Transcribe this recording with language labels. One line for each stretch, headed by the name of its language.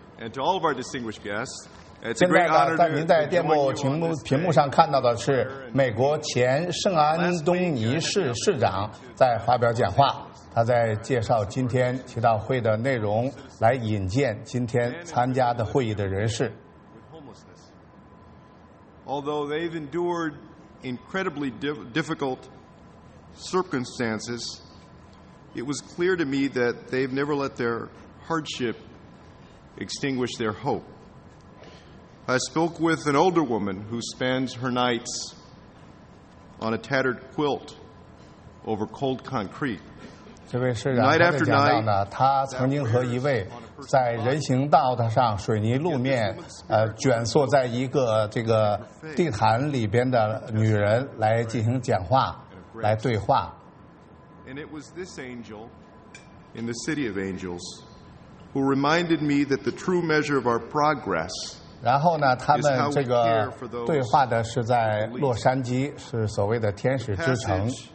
Chinese: 现在呢，在您在电幕屏幕上看到的是美国前圣安东尼市市长在发表讲话，他在介绍今天祈祷会的内容，来引荐今天参加的会议的人士。
English: Although they've endured incredibly difficult circumstances, it was clear to me that they've never let their hardship extinguish their hope. I spoke with an older woman who spends her nights on a tattered quilt over cold concrete.
Chinese: 这位市长他在讲到呢，他曾经和一位在人行道上水泥路面卷缩在一个这个地毯里边的女人来进行讲话，来对话。
English: And it was this angel in the city of angels who reminded me that the true measure of our progress.
Chinese: 然后呢，他们这个对话的是在洛杉矶，是所谓的天使之城。